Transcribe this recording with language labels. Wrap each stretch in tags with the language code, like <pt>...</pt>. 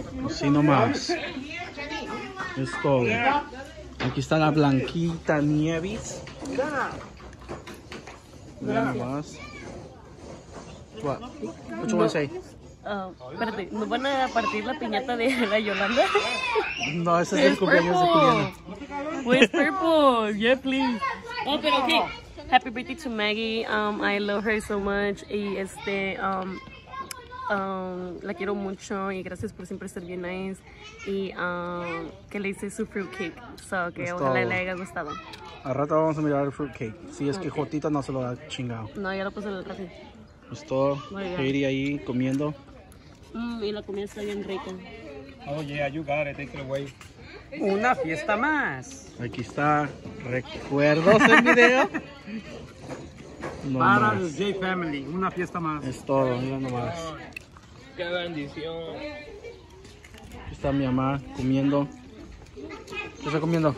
<es>Sí, no más. Es todo. Aquí está la Blanquita Nieves. Mira. Mira nomás. ¿Qué más hay? Espérate, ¿no van a partir la piñata de la Yolanda? No, ese es el cumpleaños de Juliana.</es> <en>Pues purple, yeah, please. Oh, pero ok. Happy birthday to Maggie. I love her so much.</en> <es>Y este, la quiero mucho y gracias por siempre estar bien nice. Y que le hice su fruit cake. So que okay, ojalá le haya gustado. Al rato vamos a mirar el fruit cake. Si es okay. Que Jotita no se lo ha chingado. No, ya lo puse en el café. Pues todo, Katie ahí comiendo. Y la comida está bien rica.</es> <en>Oh yeah, you got it, take it away.</en> <es>Una fiesta más. Aquí está, recuerdos en video. No para más. El J Family, una fiesta más. Es todo, mira nomás. Qué bendición. Aquí está mi mamá comiendo. ¿Qué está comiendo?</es>